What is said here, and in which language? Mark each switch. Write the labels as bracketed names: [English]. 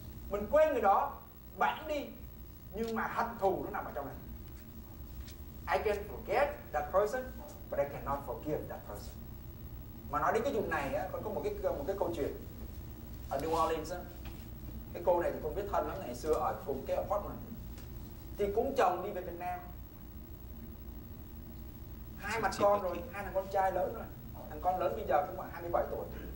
[Vietnamese] Mình quên người đó, bán đi, nhưng mà hận thù nó nằm ở trong này. [English] I can forget that person but I cannot forgive that person. [Vietnamese] Mà nói đến cái vụ này á, con có một cái câu chuyện ở New Orleans á. Cái cô này thì con biết thân lắm, ngày xưa ở cùng cái apartment. Thì cũng chồng đi về Việt Nam. Hai mặt con rồi, hai thằng con trai lớn rồi. Thằng con lớn bây giờ cũng khoảng 27 tuổi.